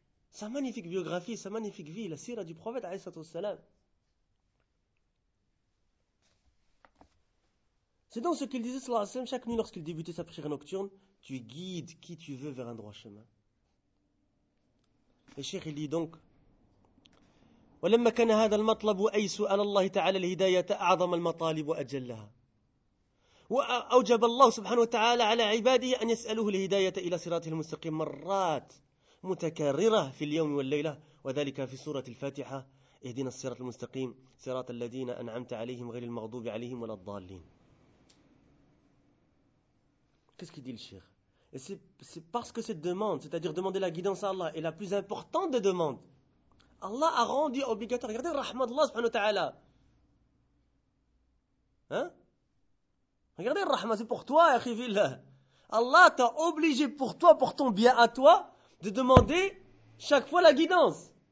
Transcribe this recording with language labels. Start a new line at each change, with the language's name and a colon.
French: Sa magnifique biographie, sa magnifique vie, la sirah du prophète, alayhi sallallahu alayhi wa sallam. C'est donc ce qu'il disait, sallallahu alayhi wa sallam, chaque nuit lorsqu'il débutait sa prière nocturne, tu guides qui tu veux vers un droit chemin. Et cher, il dit donc,
Arabic: ولما كان هذا المطلب أيسو على الله تعالى الهداية أعظم المطالب وأجلها وأوجب الله سبحانه وتعالى على عباده أن يسأله الهداية إلى صراطه المستقيم مرات متكررة في اليوم والليلة وذلك في سورة الفاتحة اهدنا الصراط المستقيم صراط الذين أنعمت عليهم غير المغضوب عليهم ولا الضالين.
French: Qu'est-ce qu'il dit le cheikh? Et c'est parce que cette demande, c'est-à-dire demander la guidance à Allah, est la plus importante des demandes. Allah a rendu obligatoire. Regardez, rahmat Allah subhanahu wa ta'ala. Regardez, rahmat, c'est pour toi, Akhivil. Allah t'a obligé pour toi, pour ton bien à toi, de demander chaque fois la guidance.